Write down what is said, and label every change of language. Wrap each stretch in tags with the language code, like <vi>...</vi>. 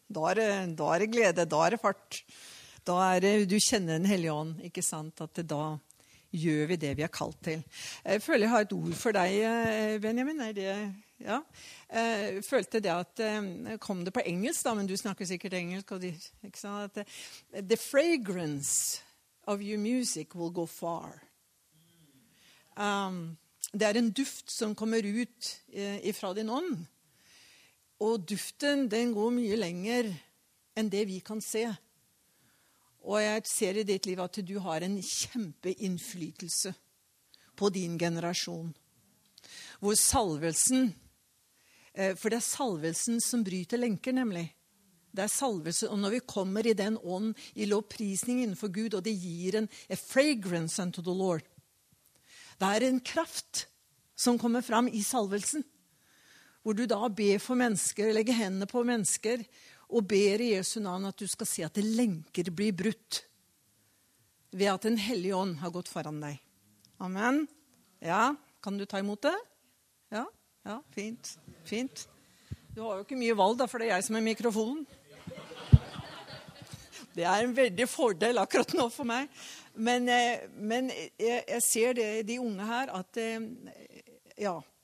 <no>Da er det glede, da er det fart. Da er det, du kjenner den hellige ånd, ikke sant, at det da gjør vi det vi er kalt til. Jeg føler jeg har et ord for deg, Benjamin. Er det, ja. Jeg følte det at, kom det på engelsk da, men du snakker sikkert engelsk. Og ikke sant?</no> <en>At, the fragrance of your music will go far.</en> <no>Det er en duft som kommer ut ifra din ånd. Og duften, den går mye lenger enn det vi kan se. Og jeg ser i ditt liv at du har en kjempeinnflytelse på din generasjon. Hvor salvelsen, for det er salvelsen som bryter lenker nemlig. Det er salvelsen, og når vi kommer i den ånd, i lovprisning innenfor Gud, og det gir en</no> <en>a fragrance unto the Lord.</en> <no>Det er en kraft som kommer fram i salvelsen. Hvor du da ber for mennesker, legger hendene på mennesker, og ber i Jesu navn at du skal se at lenker blir brutt ved at den hellige ånd har gått foran deg. Amen. Ja, kan du ta imot det? Ja, ja, fint, fint. Du har jo ikke mye valg da, for det er jeg som er mikrofonen.</no> <sv>Det är en väldig fördel akkurat nu för mig. Men jag ser det de unga här att ja.</sv>